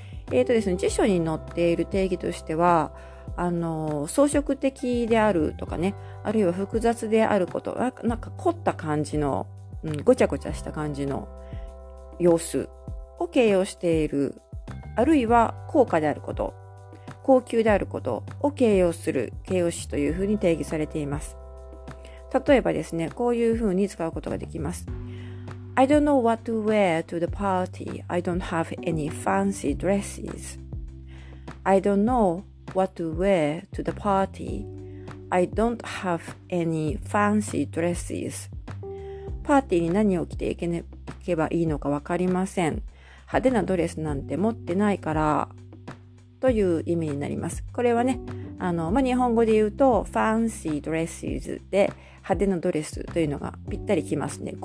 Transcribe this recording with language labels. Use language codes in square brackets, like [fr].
[ja] ですね、辞書に載っている定義としては、装飾的であるとかね、あるいは複雑であること、なんか凝った感じの、ごちゃごちゃした感じの様子を形容している、あるいは高価であること、高級であることを形容する形容詞というふうに定義されています。例えばですね、こういうふうに使うことができます。 [en] I don't know what to wear to the party. I don't have any fancy dresses. I don't know what to wear to the party. I don't have any fancy dresses. [ja] パーティーに何を着ていけばいいのかわかりません。派手なドレスなんて持ってないからという意味になります。これはね、日本語で言うと fancy dresses で派手なドレスというのがぴったりきますね。